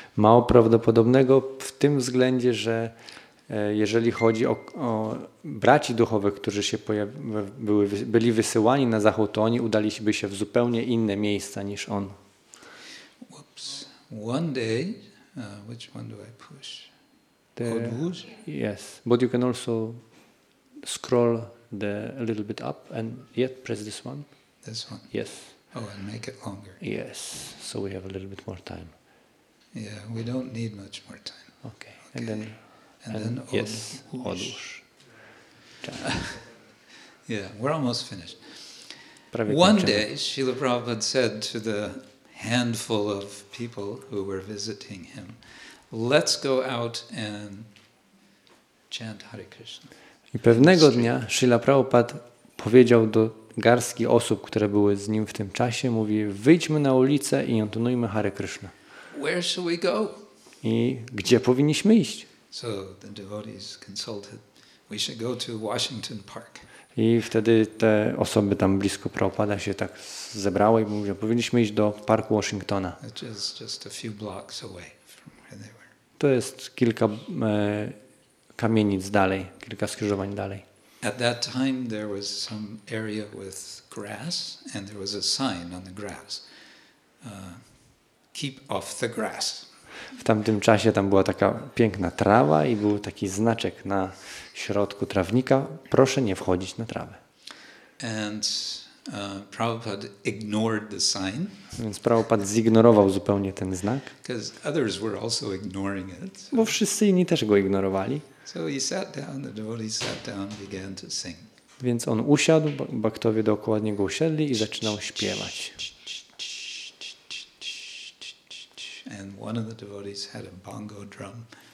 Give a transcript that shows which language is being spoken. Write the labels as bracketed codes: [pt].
[pl] Mało prawdopodobnego w tym względzie, że jeżeli chodzi o braci duchowych, którzy się byli wysyłani na zachód, to oni udaliby się w zupełnie inne miejsca niż on. [en] Oops. One day, which one do I push? [pl] Podwóz? [en] Yes, but you can also scroll the a little bit up and yet press this one. This one? Yes. Oh, and make it longer. Yes, so we have a little bit more time. Yeah, we don't need much more time. Okay, okay. And then yes, Odłóż. Yeah, we're almost finished. [pl] Prawie one kończymy. [en] Day, Śrīla Prabhupāda said to the handful of people who were visiting him, let's go out and chant Hare Krishna. [pl] I pewnego dnia Śrīla Prabhupāda powiedział do garstki osób, które były z nim w tym czasie, mówi, wyjdźmy na ulicę i intonujmy Hare Krishna. [en] Where shall we go? [pl] I gdzie powinniśmy iść? [en] So the devotees consulted, we should go to Washington Park. [pl] I wtedy te osoby tam blisko Prabhupada się tak zebrały i mówią, powinniśmy iść do parku Washingtona. [en] Which is just a few blocks away from where they were. [pl] To jest kilka kamienic dalej, kilka skrzyżowań dalej. [en] At that time there was some area with grass and there was a sign on the grass. Keep off the grass. [pl] W tamtym czasie tam była taka piękna trawa i był taki znaczek na środku trawnika. Proszę nie wchodzić na trawę. [en] And Prabhupada ignored the sign. [pl] Więc Prabhupada zignorował zupełnie ten znak. [en] Because others were also ignoring it. [pl] Bo wszyscy inni też go ignorowali. [en] So he sat down, the devotees sat down, began to sing. [pl] Więc on usiadł, bhaktowie dookoła niego usiedli i zaczynał śpiewać. [en] And one of the devotees had a bongo drum.